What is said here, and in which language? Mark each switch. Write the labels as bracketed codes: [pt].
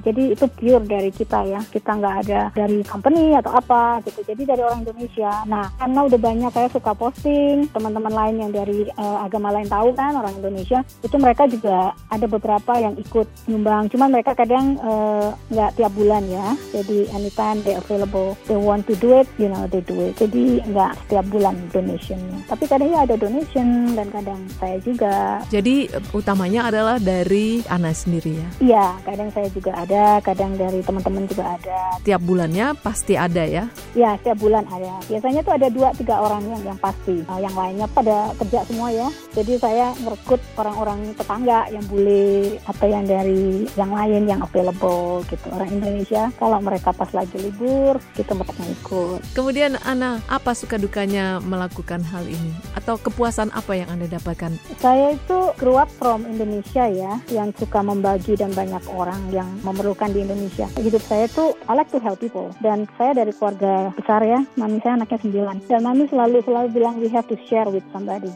[id] Jadi itu pure dari kita ya, kita gak ada dari company atau apa gitu. Jadi dari orang Indonesia. Nah, karena udah banyak saya suka posting, teman-teman lain yang dari agama lain tahu kan orang Indonesia, itu mereka juga ada beberapa yang ikut nyumbang. Cuman mereka kadang nggak tiap bulan ya. Jadi [en] anytime they available, they want to do it, you know, they do it. [id] Jadi nggak setiap bulan donationnya. Tapi kadang ya ada donation dan kadang saya juga. Jadi utamanya adalah dari Ana sendiri ya? Iya, kadang saya juga ada, kadang dari teman-teman juga ada. Tiap bulannya pasti ada ya? Iya, setiap bulan ada. Biasanya tuh ada 2-3 orang yang pasti. Yang lainnya pada kerja semua ya. Jadi saya merekrut orang-orang tetangga yang bule atau yang dari yang lain yang available gitu. Orang Indonesia, kalau mereka pas lagi libur, kita mereka ikut. Kemudian Ana, apa suka dukanya melakukan hal ini? Atau kepuasan apa yang Anda dapatkan? Saya itu [en] grew up from Indonesia [id] ya, yang suka membagi dan banyak orang yang memerlukan di Indonesia. Hidup saya tuh [en] I like to help people. [id] Dan saya dari keluarga besar ya, mami saya anaknya 9. Dan mami selalu bilang [en] we have to share with somebody.